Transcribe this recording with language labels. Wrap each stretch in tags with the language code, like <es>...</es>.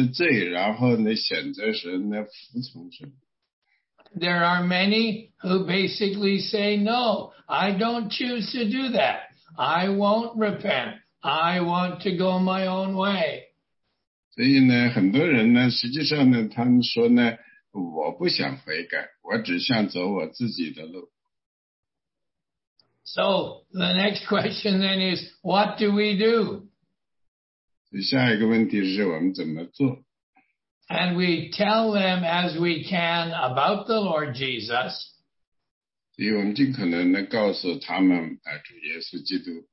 <zh>所以呢，问题呢，并不是说有没有神，那个，现在问题是在于我们要不要悔改我们的罪，然后呢，选择神，来服从神。</zh> <en>There are many who basically say, no, I don't choose to do that. I won't repent. I want to go my own way.</en> <zh>所以呢，很多人呢，实际上呢，他们说呢，我不想悔改，我只想走我自己的路。</zh> <en>So the next question then is, what do we do?</en> <zh>下一个问题是我们怎么做？</zh> <en>And we tell them as we can about the Lord Jesus.</en> <zh>所以我们尽可能地告诉他们主耶稣基督。</zh>